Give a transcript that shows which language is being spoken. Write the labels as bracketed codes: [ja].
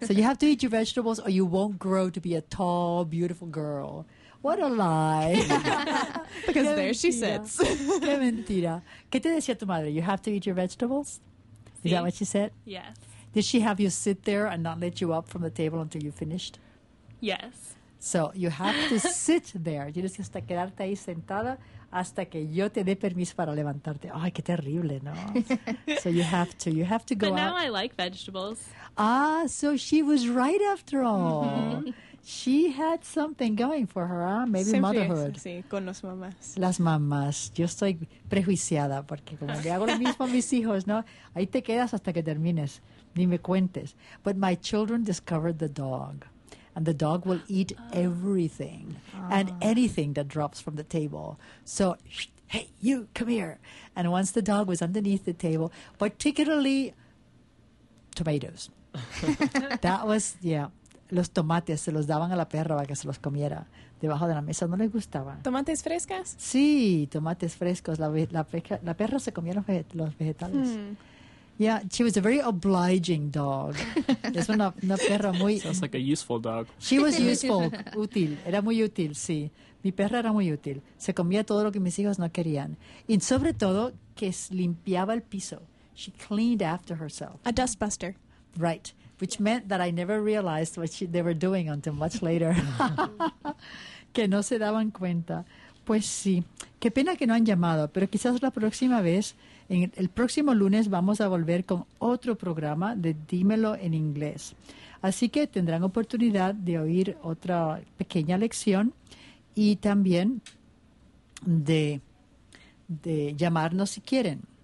[en] So you have to eat your vegetables or you won't grow to be a tall, beautiful girl. What a lie. Because there she sits. [es] Qué mentira. ¿Qué te decía tu madre? [en] You have to eat your vegetables? Is that what she said? Yes. Did she have you sit there and not let you up from the table until you finished? Yes. So you have to sit there. [es] Tienes que hasta quedarte ahí sentada hasta que yo te dé permiso para levantarte. Ay, qué terrible, ¿no? [en] So you have to. You have to go out. But now I like vegetables. Ah, so she was right after all. She had something going for her, ¿eh? Maybe [es] siempre [en] motherhood. [es] Sí, con las mamás. Las mamás. Yo estoy prejuiciada porque como le hago lo mismo a mis hijos, ¿no? Ahí te quedas hasta que termines. Ni me cuentes. [en] But my children discovered the dog. And the dog will eat everything and anything that drops from the table. So, hey, you, come here. And once the dog was underneath the table, particularly tomatoes. That was, yeah. [es] Los tomates se los daban a la perra para que se los comiera debajo de la mesa. No les gustaba. ¿Tomates frescas? Sí, tomates frescos. La perra se comía los vegetales. [en] Yeah, she was a very obliging dog. [es] Es una perra muy... [en] Sounds like a useful dog. She was useful, [es] útil. Era muy útil, sí. Mi perra era muy útil. Se comía todo lo que mis hijos no querían. Y sobre todo, que limpiaba el piso. [en] She cleaned after herself. A dustbuster. Right. Which meant that I never realized what they were doing until much later. [es] Que no se daban cuenta. Pues sí. Qué pena que no han llamado, pero quizás la próxima vez, en el próximo lunes, vamos a volver con otro programa de Dímelo en Inglés. Así que tendrán oportunidad de oír otra pequeña lección y también de llamarnos si quieren.